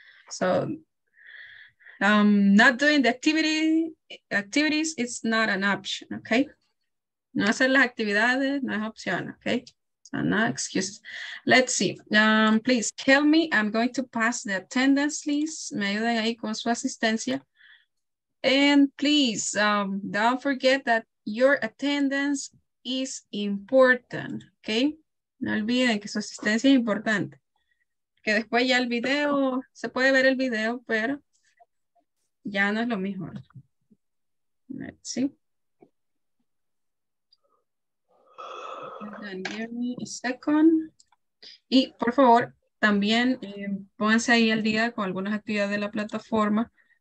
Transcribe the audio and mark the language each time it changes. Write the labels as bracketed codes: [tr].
[en] So, not doing the activities, it's not an option, okay? [es] No hacer las actividades, no es opción, okay? [en] No excuses. Let's see. Please tell me. I'm going to pass the attendance list. [es] Me ayuden ahí con su asistencia. [en] And please don't forget that your attendance is important. [es] Okay. No olviden que su asistencia es importante. Que después ya el video se puede ver el video, pero ya no es lo mismo. [en] Let's see. And give me a second. [es] Y por favor, también pónganse ahí al día con algunas actividades de la plataforma.